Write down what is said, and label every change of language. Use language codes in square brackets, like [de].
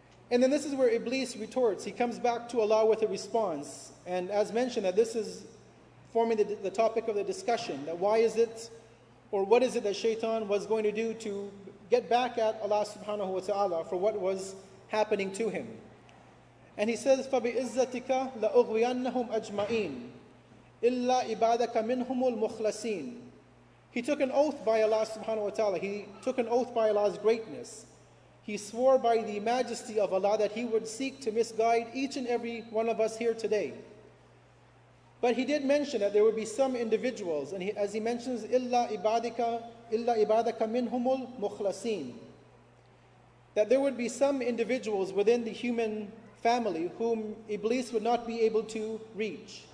[en] And then this is where Iblis retorts. He comes back to Allah with a response. And as mentioned, that this is forming the topic of the discussion. That why is it, or what is it that Shaitan was going to do to get back at Allah subhanahu wa ta'ala for what was happening to him. And he says, [ar] فَبِعِزَّتِكَ لَأُغْوِيَنَّهُمْ أَجْمَعِينَ إِلَّا عِبَادَكَ مِنْهُمُ الْمُخْلَصِينَ. [en] He took an oath by Allah subhanahu wa ta'ala. He took an oath by Allah's greatness. He swore by the majesty of Allah that he would seek to misguide each and every one of us here today. But he did mention that there would be some individuals, and as he mentions, [ar] illa ibadika minhumul mukhlasin, [en] that there would be some individuals within the human family whom Iblis would not be able to reach.